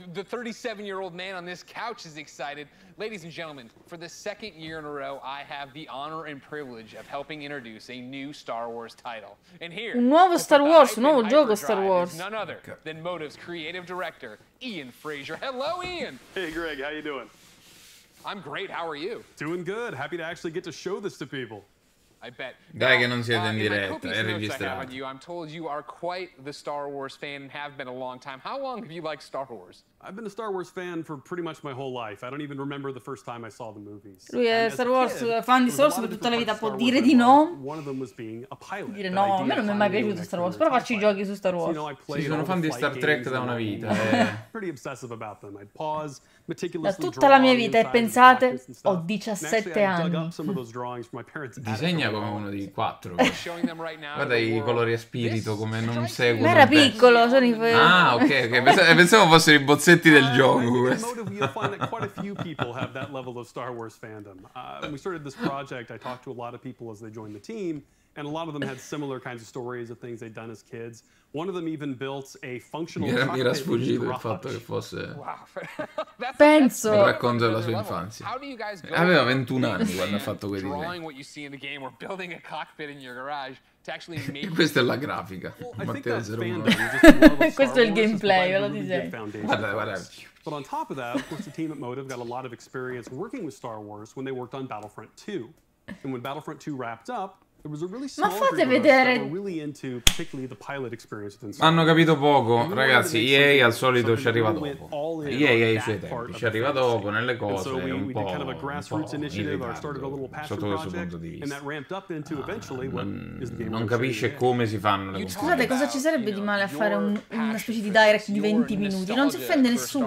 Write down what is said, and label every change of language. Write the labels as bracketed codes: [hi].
[en] The 37-year-old man on this couch is excited. Ladies and gentlemen, for the second year in a row, I have the honor and privilege of helping introduce a new Star Wars title. And here, [it] un nuovo Star Wars, un nuovo gioco Star Wars. [en] None other than Motive's creative director, Ian Fraser. Hello, Ian. Hey, Greg. How you doing? I'm great. How are you? Doing good. Happy to actually get to show this to people. I bet. [it] Dai, che non siete in diretta, è registrato. [en] I'm told you are quite the Star Wars fan and have been a long time. How long have you liked Star Wars? I've been a Star Wars fan for pretty much my whole life. I don't even remember the first time I saw the movies. [it] Lui è Star Wars, fan di Star Wars per tutta la vita, può dire di no. [en] One of them was being a pilot. [it] Dire no, a me non mi è mai piaciuto Star Wars, però faccio i giochi su Star Wars. Sì, sono fan di Star Trek da una vita. [en] Pretty obsessive about them. I'd pause meticulously. [it] Da tutta la mia vita, e pensate, ho 17 anni. Disegna come uno di 4. Guarda i colori a spirito, come non seguono. Ma era piccolo, sono i fai. Ah, ok, ok. Pensavo fossero i bozzetti del gioco. [en] Quite a few people have that level of Star Wars fandom. When we started this project, I talked to a lot of people as they joined the team, and a lot of them had similar kinds of stories of things they'd done as kids. One of them even built a functional [it] mi era sfuggito il fatto che fosse penso il racconto della sua infanzia. Aveva 21 anni quando ha fatto quei disegni. Questa è la grafica. Matteo 01. Questo è il gameplay, ve lo dice. Guarda, guarda. [en] But on top of that, of course, the team at Motive got a lot of experience working with Star Wars when they worked on Battlefront 2. And when Battlefront 2 wrapped up, there was a really small group of us that were really into particularly the pilot experience. [it] Hanno capito poco, ragazzi. EA al solito ci arriva dopo. EA ai suoi tempi ci arriva dopo nelle cose un po' non capisce come si fanno le cose. Scusate, cosa ci sarebbe di male a fare una specie di direct di 20 minuti? Non si offende nessuno.